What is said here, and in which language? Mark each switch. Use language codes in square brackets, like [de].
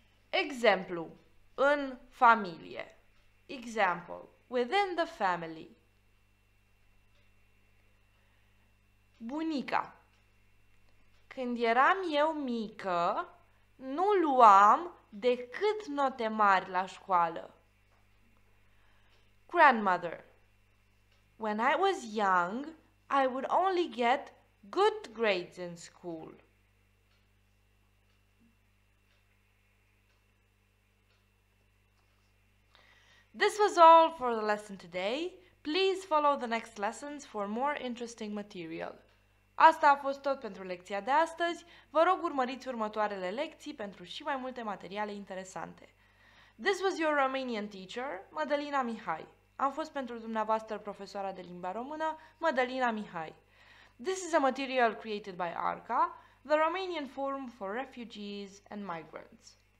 [ro] Exemplu, în familie. [en] Example, within the family. [ro] Bunica. Când eram eu mică, nu luam decât note mari la școală. [en] Grandmother. When I was young, I would only get good grades in school. This was all for the lesson today. Please follow the next lessons for more interesting material. [ro] Asta a fost tot pentru lecția de astăzi. Vă rog urmăriți următoarele lecții pentru și mai multe materiale interesante. [en] This was your Romanian teacher, Mădălina Mihai. [ro] Am fost pentru dumneavoastră profesoara de limba română, Mădălina Mihai. [en] This is a material created by ARCA, the Romanian Forum for Refugees and Migrants.